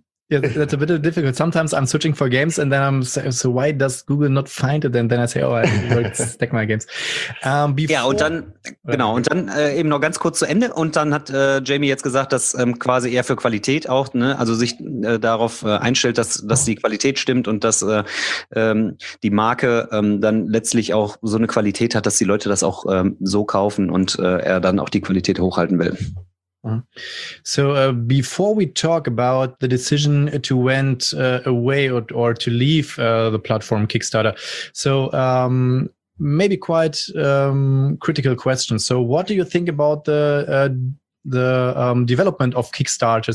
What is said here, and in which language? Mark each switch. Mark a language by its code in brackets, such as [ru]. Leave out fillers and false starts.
[en] Yeah, that's a bit difficult. Sometimes I'm switching for games and then I'm so why does Google not find it? And then I say, oh, I worked Stack My Games. [de] Eben noch ganz kurz zu Ende. Und dann hat Jamie jetzt gesagt, dass quasi eher für Qualität auch, ne, also sich darauf einstellt, dass die Qualität stimmt und dass die Marke dann letztlich auch so eine Qualität hat, dass die Leute das auch so kaufen und er dann auch die Qualität hochhalten will. [en] So before we talk about the decision to went away or to leave the platform Kickstarter, so maybe quite critical question. So what do you think about the development of Kickstarter?